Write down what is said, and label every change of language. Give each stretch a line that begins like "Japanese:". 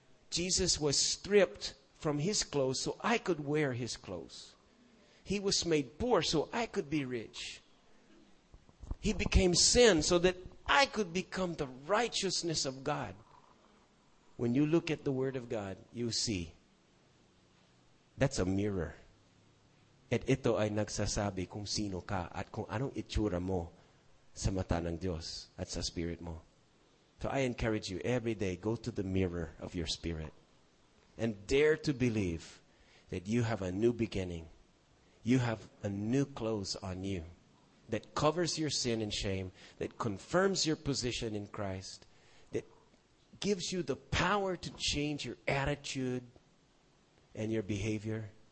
English: Jesus was stripped from His clothes so I could wear His clothes. He was made poor so I could be rich. He became sin so that I could become the righteousness of God. When you look at the Word of God, you see, that's a mirror.
Filipino: At ito ay nagsasabi kung sino ka at kung anong itsura mo sa mata ng Diyos at sa spirit mo.
English: So I encourage you every day, go to the mirror of your spirit and dare to believe that you have a new beginning. You have a new clothes on you that covers your sin and shame, that confirms your position in Christ, that gives you the power to change your attitude and your behavior.